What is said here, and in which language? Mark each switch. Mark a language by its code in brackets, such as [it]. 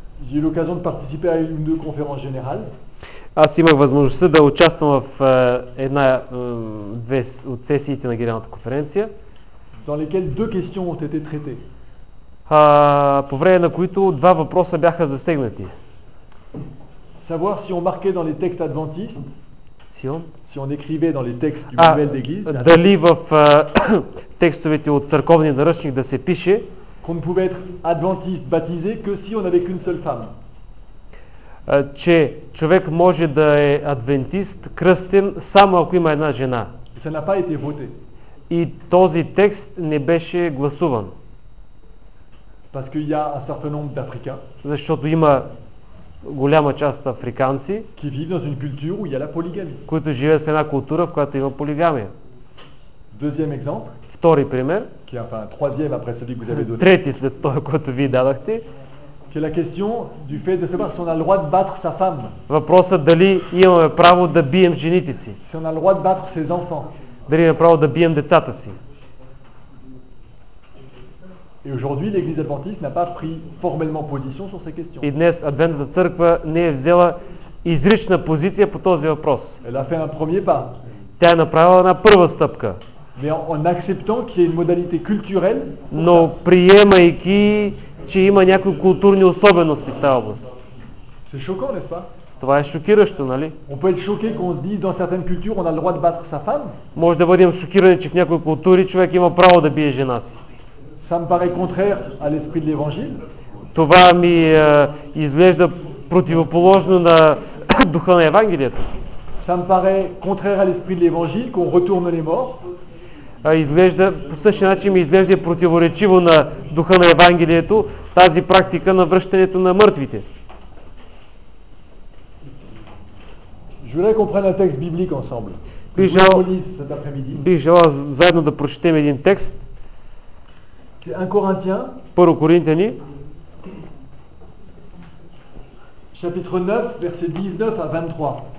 [fr] J'ai eu l'occasion de participer à une ou deux conférences générales. [bg] Аз имах възможността да участвам в една две от сесиите на генералната конференция. [fr] Dans lesquelles deux questions ont été traitées. [bg] По време на които два въпроса бяха засегнати. [fr] Savoir si on marquait dans les textes adventistes, si on écrivait dans les textes du manuel d'église, [bg] дали в текстовете от църковния наръчник да се пише, [fr] qu'on ne pouvait être adventiste baptisé que si on avait qu'une seule femme. [bg] Че човек може да е адвентист кръстен само ако има една жена. [fr] Ça n'a pas été voté. [bg] И този текст не беше гласуван. [fr] Parce qu'il y a un certain nombre d'Africains. [bg] Защото има голяма част африканци, [fr] qui vivent dans une culture où il y a la polygamie. [bg] Които живеят в една култура, в която има полигамия. [fr] Deuxième exemple. [bg] Втори пример. [fr] Qui est, enfin, troisième après celui que vous avez donné. [bg] Трети след това, което ви дадохте. [fr] Qui est la question du fait de savoir si on a le droit de battre sa femme. [bg] Въпросът дали имаме право да бием жените си. [fr] Si on a le droit de battre ses enfants. [bg] Дали имаме право да бием децата си. [fr] Et aujourd'hui, l'Église adventiste n'a pas pris formellement position sur ces questions. [bg] И днес адвентната църква не е взела изрична позиция по този въпрос. [fr] Elle a fait un premier pas. [bg] Тя е направила една първа стъпка. [fr] Mais en acceptant qu'il y ait une modalité culturelle. [bg] Но приемайки, че има някои културни особености в тази област. [fr] C'est choquant, n'est-ce pas? [bg] Това е шокиращо, нали? [fr] On peut être choqué qu'on se dit dans certaines cultures on a le droit de battre sa femme. [bg] Може да бъдем шокирани, че в някои култури човек има право да бие жена си. [fr] Ça me paraît contraire à l'esprit de l'Évangile. [bg] Това ми изглежда противоположно на духа на Евангелието. [fr] Ça me paraît contraire à l'esprit de l'Évangile qu'on retourne les morts. [bg] Изглежда, по същия начин ми изглежда противоречиво на духа на Евангелието тази практика на връщането на мъртвите. [fr] Je voudrais qu'on prenne un texte biblique ensemble. [bg] Би желал заедно да прочетем един текст. [fr] C'est 1 Corinthiens. 1 Corinthiens. Chapitre 9, versets 19 à 23.